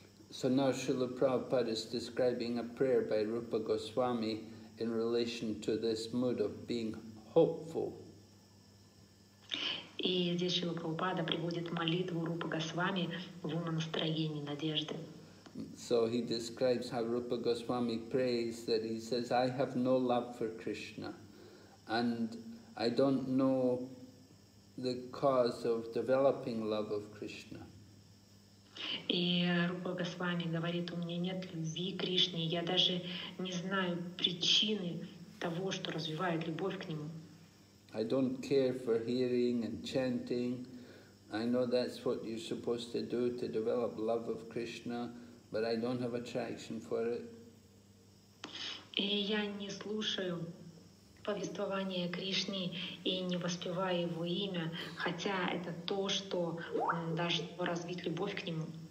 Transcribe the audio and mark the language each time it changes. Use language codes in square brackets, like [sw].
[en] So now Srila Prabhupada is describing a prayer by Rupa Goswami in relation to this mood of being hopeful. [ru] И здесь Шрила Прабхупада приводит молитву Рупа Госвами в умонастроении надежды. [en] So he describes how Rupa Goswami prays, that he says, I have no love for Krishna and I don't know the cause of developing love of Krishna. [ru] И Рупа Госвами говорит, у меня нет любви к Кришне, я даже не знаю причины того, что развивает любовь к Нему. [en] I don't care for hearing and chanting. I know that's what you're supposed to do to develop love of Krishna, but I don't have attraction for it. [ru] И я не слушаю повествование Кришне и не воспеваю его имя, хотя это то, что должно развить любовь к нему.